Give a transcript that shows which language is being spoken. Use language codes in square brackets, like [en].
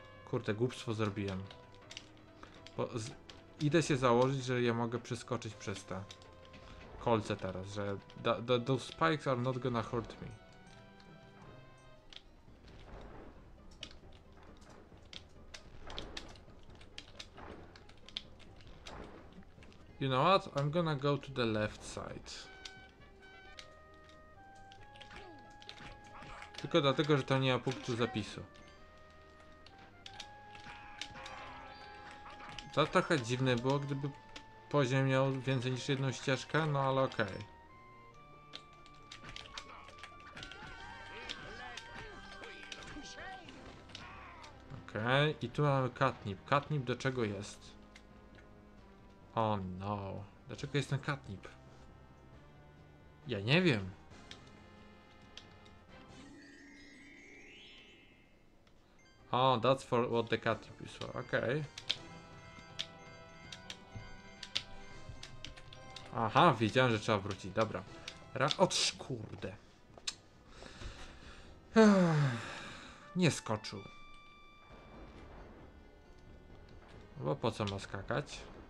[pl] Kurde, głupstwo zrobiłem. Bo idę się założyć, że ja mogę przeskoczyć przez te kolce teraz. [en] Że those spikes are not gonna hurt me. You know what? I'm gonna go to the left side. [pl] Tylko dlatego, że to nie ma punktu zapisu. To trochę dziwne było, gdyby poziom miał więcej niż jedną ścieżkę, no ale okej. Okay. Okej, okay. I tu mamy katnip. Katnip do czego jest? [en] Oh no. [pl] Dlaczego jest ten katnip? Ja nie wiem. [en] O, oh, that's for what the katnip is for. Okej. Okay. [pl] Aha, wiedziałem, że trzeba wrócić. Dobra. Otsz, kurde. Nie skoczył. Bo po co ma skakać?